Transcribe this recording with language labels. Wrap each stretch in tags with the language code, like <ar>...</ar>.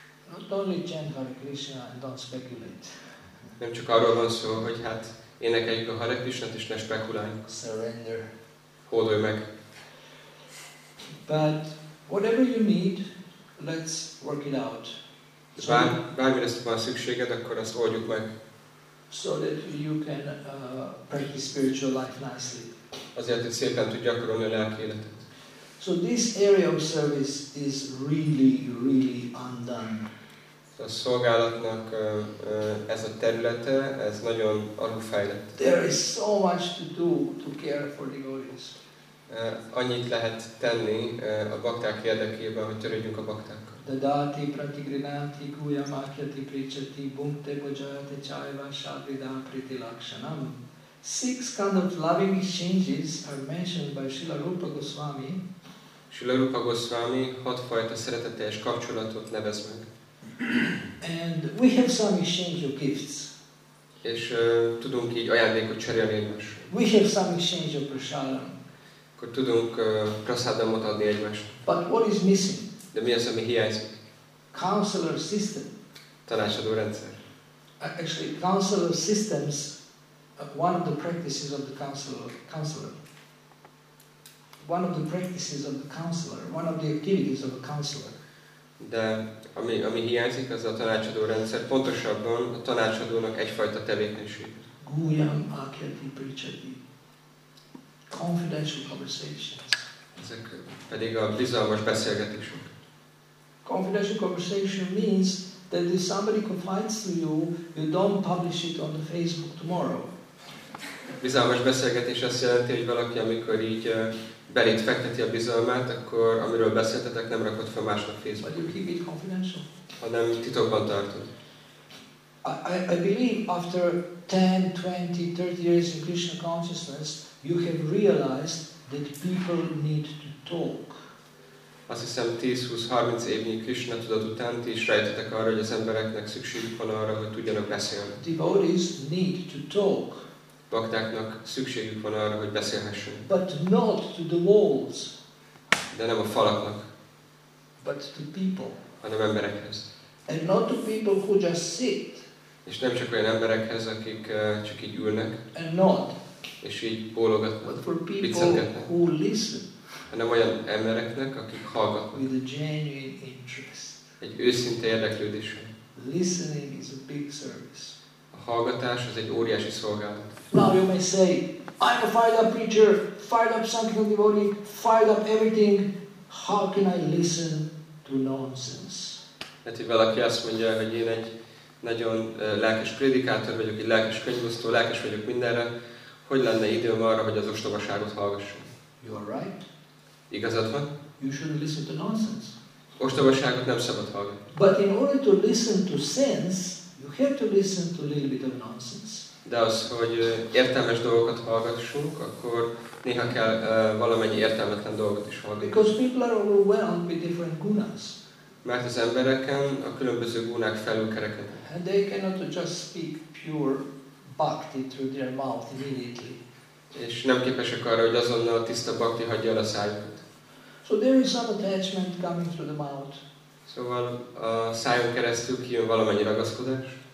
<en>Not only chant Hare Krishna and don't speculate.</en> <hu>Nem csak arról van szó, hogy hát énekeljük a Hare Krishnát és ne spekuláljunk.</hu> <en>Surrender.</en> <hu>Hódolj meg.</hu> <en>But whatever you need, let's work it out.</en> <hu>So, bármire van szükséged, akkor azt oldjuk meg.</hu> <en>So that you can practice spiritual life nicely.</en> <hu>Azért, hogy szépen tud gyakorolni a lelki életet.</hu> <en>So this area of service is really, really undone.</en> <hu>A szolgálatnak ez a területe, ez nagyon alulfejlett.</hu> <en>There is so much to do to care for devotees.</en> <hu>Annyit lehet tenni a bakták érdekében, hogy törődjünk a baktákkal.</hu> <sa>Dadati pratigrinanti guyamakyati pricati bhunkte bhajayate chayva shabridam priti lakshanam.</sa> <en>Six kind of loving exchanges are mentioned by Srila Rupa Goswami.</en> <hu>Srila Rupa Goswami hat fajta szeretetteljes kapcsolatot nevez meg.</hu> <en>And we have some exchange of gifts.</en> <hu>És tudunk így ajándékot cserélni egymásra.</hu> <en>We have some exchange of prasadam.</en> <hu>Akkor tudunk prasadamot adni egymást.</hu> <en>But what is missing?</en> <hu>De mi az, ami hiányzik?</hu> <en>Counselor system.</en> <hu>Tanácsadó rendszer.</hu> <en>Actually, counselor systems one of the practices of the counselor. One of the practices of the counselor. One of the activities of a counselor.</en> <hu>De ami hiányzik, az a tanácsadó rendszer, pontosabban a tanácsadónak egyfajta tevékenység.</hu> <sa>Guyam akyati prichati.</sa> <en>Confidential conversations.</en> <hu>Ezek pedig a bizalmas beszélgetések.</hu> <en>Confidential conversation means that if somebody confides to you, you don't publish it on the Facebook tomorrow.</en> <hu>Bizalmas beszélgetés azt jelenti, hogy valaki, amikor így belét fekteti a bizalmát, akkor amiről beszéltetek, nem rakod fel másnak Facebookra, hanem titokban tartod.</hu> <en>I believe after 10, 20, 30 years in Krishna consciousness, you have realized that people need to talk.</en> <hu>Azt hiszem, 10-20-30 évnyi Krishna tudat után ti is rejtetek arra, hogy az embereknek szükségük van arra, hogy tudjanak beszélni.</hu> <en>Devotees need to talk.</en> <hu>Baktáknak szükségük van arra, hogy beszélhessünk.</hu> <en>But not to the walls.</en> <hu>De nem a falaknak.</hu> <en>But to people.</en> <hu>Hanem emberekhez.</hu> <en>And not to people who just sit.</en> <hu>És nem csak olyan emberekhez, akik csak így ülnek.</hu> <en>And not.</en> <hu>És így bólogatnak.</hu> <en>But for people who listen.</en> <hu>Hanem olyan embereknek, akik hallgatnak.</hu> <en>With a genuine interest.</en> <hu>Egy őszinte érdeklődésen.</hu> <en>Listening is a big service.</en> <hu>Hallgatás az egy óriási szolgálat.</hu> <en>Now you may say, I'm a fired up preacher, fired up sankirtan devotee, fired up everything. How can I listen to nonsense?</en> <hu>Mert hogy valaki azt mondja, hogy én egy nagyon lelkes prédikátor vagyok, egy lelkes könyvosztó, lelkes vagyok mindenre, hogy lenne időm arra, hogy az ostobaságot hallgassam?</hu> <en>You are right.</en> <hu>Igazad van?</hu> <en>You shouldn't listen to nonsense.</en> <hu>Ostobaságot nem szabad hallgatni.</hu> <en>But in order to listen to sense, you have to listen to a little bit of nonsense.</en> <hu>De az, hogy értelmes dolgokat hallgassunk, akkor néha kell valamennyi értelmetlen dolgot is hallgatni.</hu> <en>Because people are overwhelmed with different gunas.</en> <hu>Mert az embereken a különböző gunák felülkerekednek.</hu> <en>And they cannot just speak pure bhakti through their mouth immediately.</en> <hu>És nem képesek arra, hogy azonnal tiszta bhakti hagyja el a szájukat.</hu> <en>So there is some attachment coming through the mouth.</en> <hu>Szóval a szájon keresztül kijön valamennyi ragaszkodás.</hu>